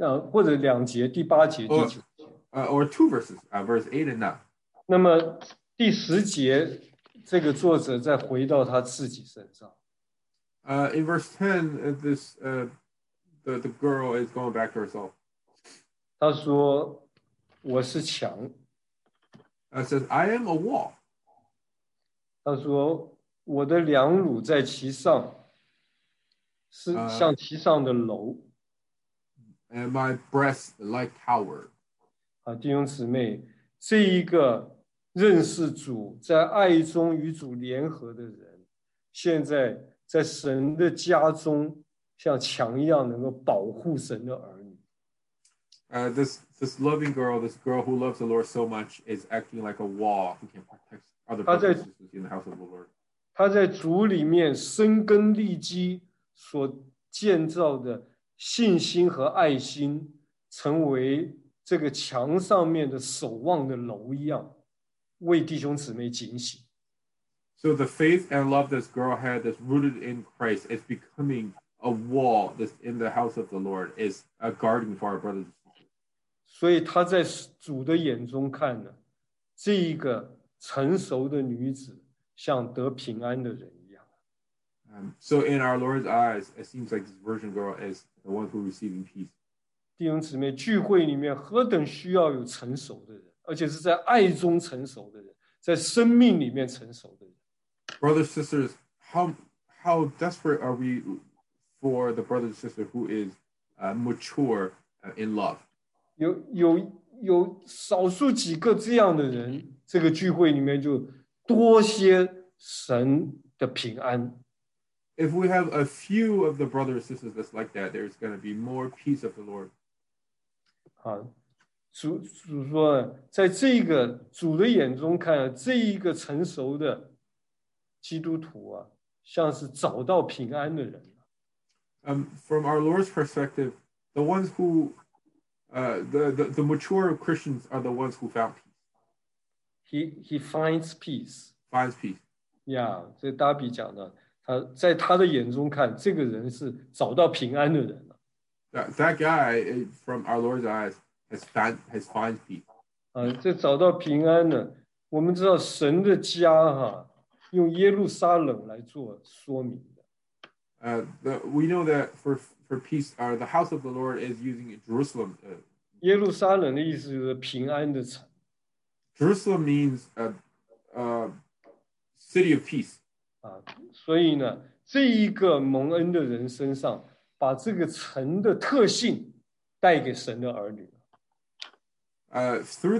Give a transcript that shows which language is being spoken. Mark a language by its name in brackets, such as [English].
[Chinese] 或者两节，第八节，第九节。 [English] Or two verses, verse 8 and 9. [Chinese] 那么第十节，这个作者再回到他自己身上。 [English] In verse 10, this, the girl is going back to herself. [Chinese] 她说，我是墙。 [English] It says, I am a wall. [Chinese] 她说，我的两乳在其上，是像其上的楼。 [English] And my breast like tower. [Chinese] 弟兄姊妹，这一个认识主，在爱中与主联合的人，现在在神的家中，像墙一样能够保护神的儿女。 [English] This loving girl, this girl who loves the Lord so much, is acting like a wall who can protect other people in the house of the Lord. [Chinese] 她在主里面生根立基所建造的信心和爱心，成为这个墙上面的守望的楼一样，为弟兄姊妹警醒。 [English] So the faith and love this girl had that's rooted in Christ is becoming a wall that's in the house of the Lord, is a garden for our brothers and sisters. [Chinese] 所以她在主的眼中看呢，这一个成熟的女子像得平安的人一样。 [English] So in our Lord's eyes, it seems like this virgin girl is the one who's receiving peace. [Chinese] 弟兄姊妹，聚会里面何等需要有成熟的人，而且是在爱中成熟的人，在生命里面成熟的人。 [English] Brothers and sisters, how desperate are we for the brother and sister who is mature in love? [Chinese] 有少数几个这样的人，这个聚会里面就多些神的平安。 [English] If we have a few of the brothers and sisters that's like that, there's going to be more peace of the Lord. [Chinese] 主说，在这个主的眼中看，这一个成熟的基督徒啊，像是找到平安的人。 [English] From our Lord's perspective, the ones who, the mature Christians are the ones who found peace. He finds peace. Finds peace. [Chinese] Yeah, 这达比讲的，在他的眼中看, 这个人是找到平安的人了。 [English] that guy, from our Lord's eyes, has found peace. [Chinese] 这找到平安了,我们知道神的家, 用耶路撒冷来做说明的。 [English] We know that for peace, the house of the Lord is using Jerusalem. [Chinese] 耶路撒冷的意思就是平安的城。 [English] Jerusalem means a city of peace. [Chinese] 所以呢,这一个蒙恩的人身上, 把这个城的特性带给神的儿女。Through